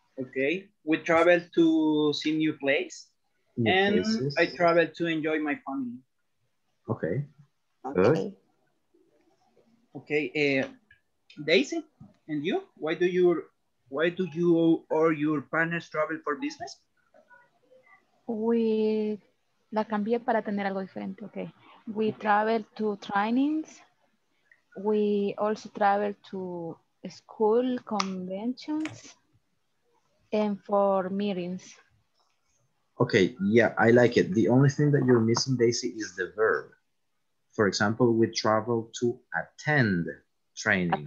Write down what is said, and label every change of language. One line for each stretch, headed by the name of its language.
English: Okay, we travel to see new place. And places. I travel to enjoy my family. Okay. Okay. Okay, Daisy, and you? Why do you or your partners travel for business?
Spanish: We la cambié para tener algo diferente, okay.
English: We travel to trainings. We also travel to school conventions and for meetings. Okay, yeah, I like it. The only thing that you're missing, Daisy, is the verb. For example, we travel to attend training.